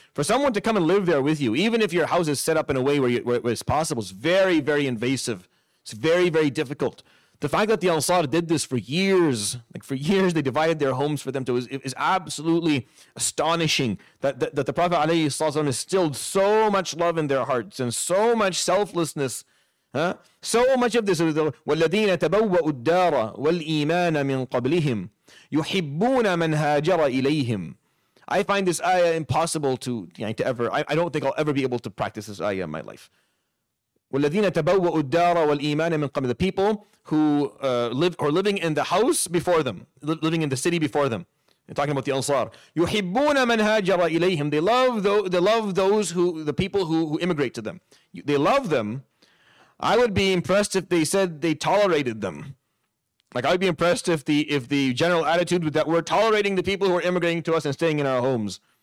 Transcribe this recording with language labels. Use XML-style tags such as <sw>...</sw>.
<en>For someone to come and live there with you, even if your house is set up in a way where it's possible, it's very, very invasive. It's very, very difficult. The fact that the Ansar did this for years, they divided their homes for them to is absolutely astonishing. That the Prophet ﷺ instilled so much love in their hearts and so much selflessness Huh? So much of this is the</en> <ar>والذين تبوأوا الدار والإيمان من قبلهم يحبون من هاجر إليهم.</ar> <en>I find this ayah impossible to, you know, to ever. I don't think I'll ever be able to practice this ayah in my life.</en> <ar>والذين تبوأوا الدار والإيمان من قبل.</ar> <en>The people who are living in the house before them, living in the city before them. I'm talking about the Ansar.</en> <ar>يحبون من هاجر إليهم.</ar> <en>They love the people who immigrate to them. They love them. I would be impressed if they said they tolerated them. Like, I'd be impressed if the general attitude was that we're tolerating the people who are immigrating to us and staying in our homes.</en>